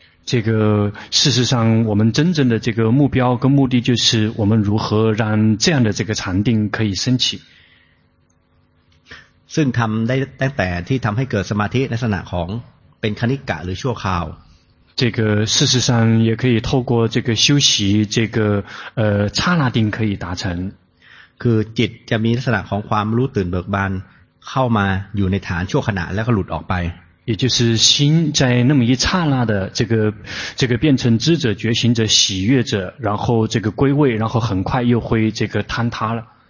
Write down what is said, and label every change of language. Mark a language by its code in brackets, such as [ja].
[zh] 这个事实上我们真正的这个目标跟目的就是我们如何让这样的这个禅定可以升起 [th] ซึ่งทำได้ตั้งแต่ที่ทำให้เกิดสมาธิลักษณะของเป็นคณิกะหรือชั่วคราว [zh] 这个事实上也可以透过这个修习这个刹那定可以达成 [th] คือจิตจะมีลักษณะของความรู้ตื่นเบิกบานเข้ามาอยู่ในฐานชั่วขณะแล้วก็หลุดออกไป [zh] 也就是心在那么一刹那的这个变成知者觉醒者喜悦者然后这个归位然后很快又会这个坍塌了